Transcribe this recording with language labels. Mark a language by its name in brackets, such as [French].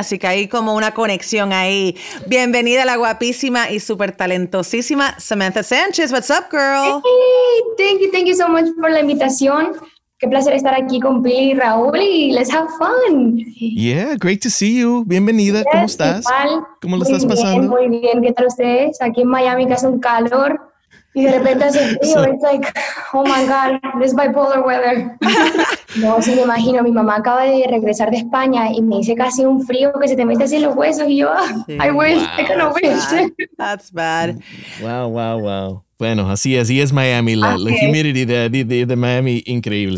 [Spanish] Así que hay como una conexión ahí. Bienvenida a la guapísima y súper talentosísima Samantha Sanchez. [English] What's up, girl? Hey, thank you so much for [Spanish] la invitación. Qué placer estar aquí con Pili y Raúl y [English] let's have fun. Yeah, great to see you. Bienvenida, yes, [Spanish] ¿cómo estás? Igual. ¿Cómo lo estás pasando? Muy bien, ¿qué tal ustedes? Aquí en Miami que hace un calor y de repente hace frío. [English] So, it's like, oh my God, this bipolar weather. [Spanish] No, sí, me imagino, mi mamá acaba de regresar de España y me dice casi un frío que se te mete así en los huesos y yo, [English] oh, I wish, wow, I can't wish. That's bad. Wow, wow, wow. [Spanish] Bueno, así es Miami, la humidity de Miami, increíble.